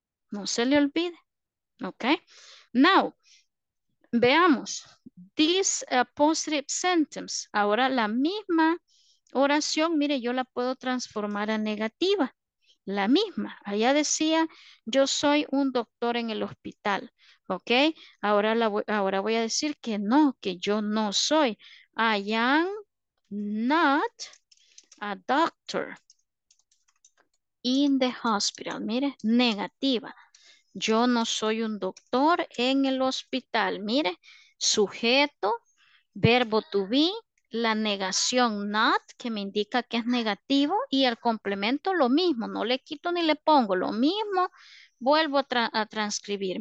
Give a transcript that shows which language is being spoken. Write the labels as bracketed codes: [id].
[es] No se le olvide, ¿ok? Now, veamos, [en] this positive sentence, [es] ahora la misma oración, mire, yo la puedo transformar a negativa, la misma. Allá decía, yo soy un doctor en el hospital, ¿ok? Ahora voy a decir que no, que yo no soy. [en] I am not a doctor in the hospital. [es] Mire, negativa. Yo no soy un doctor en el hospital. Mire, sujeto, verbo to be, la negación not, que me indica que es negativo, y el complemento lo mismo, no le quito ni le pongo, lo mismo vuelvo a transcribir.